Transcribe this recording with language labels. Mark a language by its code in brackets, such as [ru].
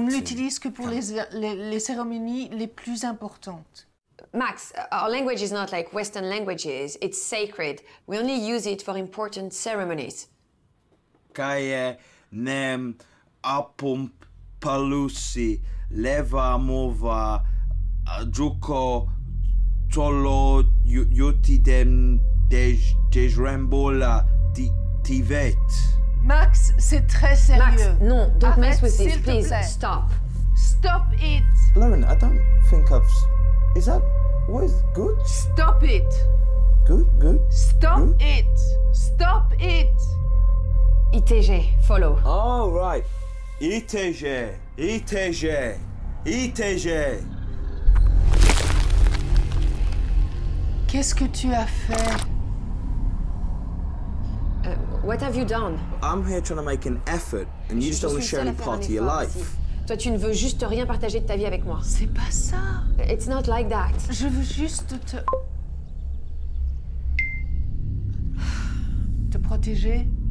[fr] on ne l'utilise que pour les cérémonies les plus importantes. [en] Max, our language is not like Western languages. It's sacred. We only use it for important ceremonies. Kaye nem apum palusi leva mova druko tolo yuti dem dej rembola tivet. [fr] Max, c'est très sérieux. [en] Max, non, don't mess with this, please, stop. Stop it. Lauren, I don't think I've... Is that... What is... Good? Stop it. Good, good. Stop it. Stop it. ITG, follow. Oh, right. ITG. ITG. ITG. [fr] Qu'est-ce que tu as fait? [en] What have you done? I'm here trying to make an effort, and you just don't want to share any part of your life. [fr] Toi, tu ne veux juste rien partager de ta vie avec moi. C'est pas ça. [en] It's not like that. [fr] Je veux juste te... te protéger.